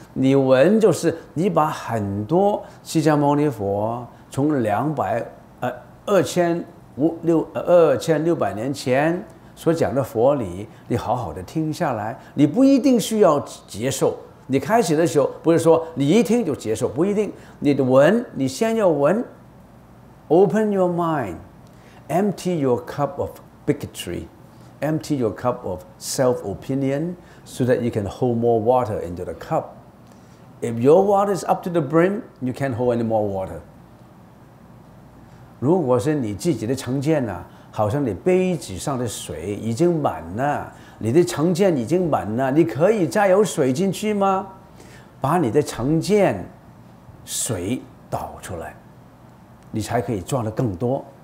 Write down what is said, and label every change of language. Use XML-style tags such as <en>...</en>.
<zh>你闻就是你把很多释迦牟尼佛从2600年前所讲的佛理，你好好的听下来，你不一定需要接受。你开始的时候不是说你一听就接受，不一定，你的闻，你先要闻。</zh> <en>Open your mind， Empty your cup of bigotry， Empty your cup of self-opinion so that you can hold more water into the cup. If your water is up to the brim, you can't hold any more water.</en> <zh>如果是你自己的成见啊，好像你杯子上的水已经满了，你的成见已经满了，你可以再有水进去吗？把你的成见水倒出来，你才可以装得更多。</zh>